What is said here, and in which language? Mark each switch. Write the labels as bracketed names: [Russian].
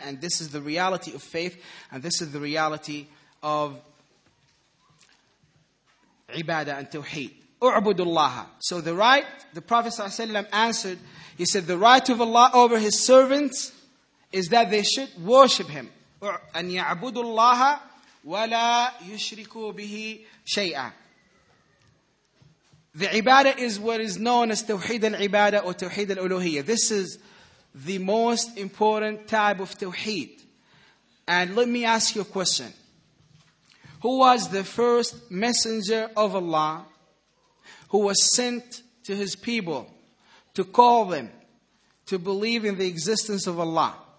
[English] And this is the reality of faith, and this is the reality of ibadah and tawheed. [Arabic] U'budu Allah. [English] So the right, the Prophet sallallahu alaihi wasallam answered, he said, the right of Allah over his servants is that they should worship him. [Arabic] أن يعبدوا الله ولا يشركوا به شيئا. [English] The ibadah is what is known as tawheed al-ibadah or tawheed al-uluhiyya. This is the most important type of tawheed. And let me ask you a question. Who was the first messenger of Allah who was sent to his people to call them to believe in the existence of Allah?